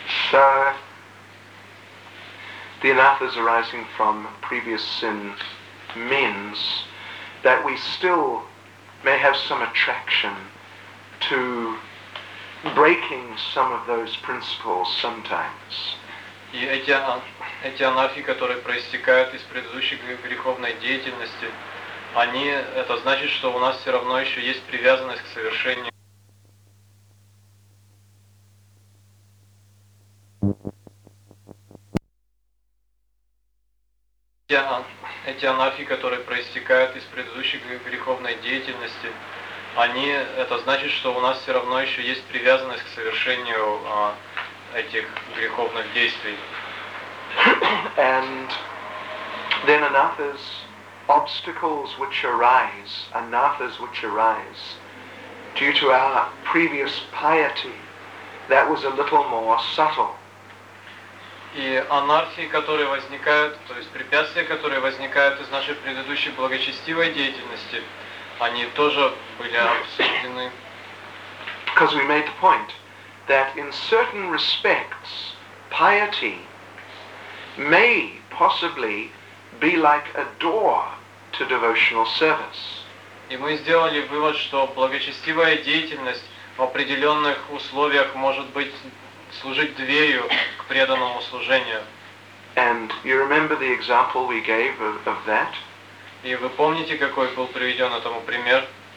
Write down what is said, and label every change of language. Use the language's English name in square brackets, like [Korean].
[English] So, the anathas arising from previous sin means that we still may have some attraction to breaking some of those principles sometimes. [Russian] И эти анархи, которые проистекают из предыдущей греховной деятельности, они это значит, что у нас все равно еще есть привязанность к совершению. Эти анархи, которые проистекают из предыдущей греховной деятельности, они это значит, что у нас все равно еще есть привязанность к совершению этих греховных действий. [English] And then anathas, obstacles which arise, anathas which arise due to our previous piety, that was a little more subtle. [Russian] И анархии, которые возникают, то есть препятствия, которые возникают из нашей предыдущей благочестивой деятельности, они тоже были обсуждены. [English] Because we made the point that in certain respects piety may possibly be like a door to devotional service. [Russian] И мы сделали вывод, что благочестивая деятельность в определенных условиях может быть служить дверью к преданному служению. [English] And you remember the example we gave of that? [Russian] И вы помните, какой был приведен этому пример?